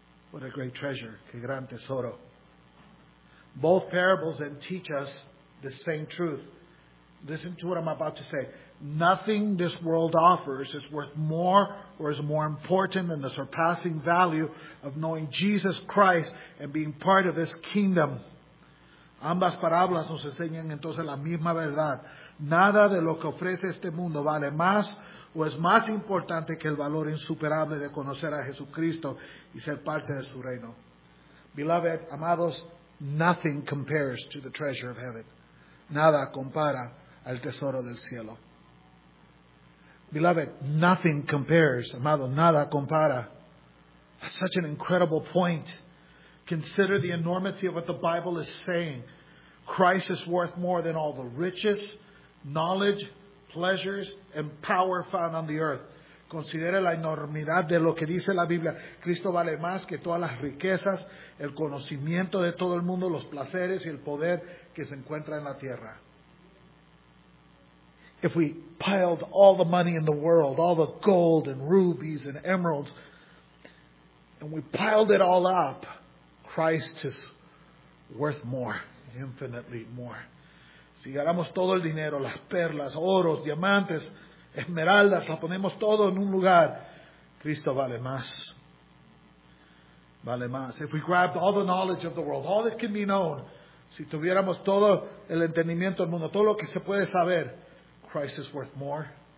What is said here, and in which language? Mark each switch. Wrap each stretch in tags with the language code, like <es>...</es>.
<en>What a great treasure.</en> <es>Qué gran tesoro.</es> <en>Both parables then teach us the same truth. Listen to what I'm about to say. Nothing this world offers is worth more or is more important than the surpassing value of knowing Jesus Christ and being part of His kingdom.</en> <es>Ambas parábolas nos enseñan entonces la misma verdad. Nada de lo que ofrece este mundo vale más o es más importante que el valor insuperable de conocer a Jesucristo y ser parte de su reino.</es> <en>Beloved, amados, nothing compares to the treasure of heaven.</en> <es>Nada compara al tesoro del cielo.</es> <en>Beloved, nothing compares.</en> <es>Amado, nada compara.</es> <en>That's such an incredible point. Consider the enormity of what the Bible is saying. Christ is worth more than all the riches, knowledge, pleasures, and power found on the earth.</en> <es>Considere la enormidad de lo que dice la Biblia. Cristo vale más que todas las riquezas, el conocimiento de todo el mundo, los placeres y el poder que se encuentra en la tierra.</es> <en>If we piled all the money in the world, all the gold and rubies and emeralds, and we piled it all up, Christ is worth more, infinitely more.</en> <es>Si agarramos todo el dinero, las perlas, oros, diamantes, esmeraldas, la ponemos todo en un lugar, Cristo vale más. Vale más.</es> <en>If we grabbed all the knowledge of the world, all that can be known,</en> <es>si tuviéramos todo el entendimiento del mundo, todo lo que se puede saber,</es> <en>Christ is worth more.</en>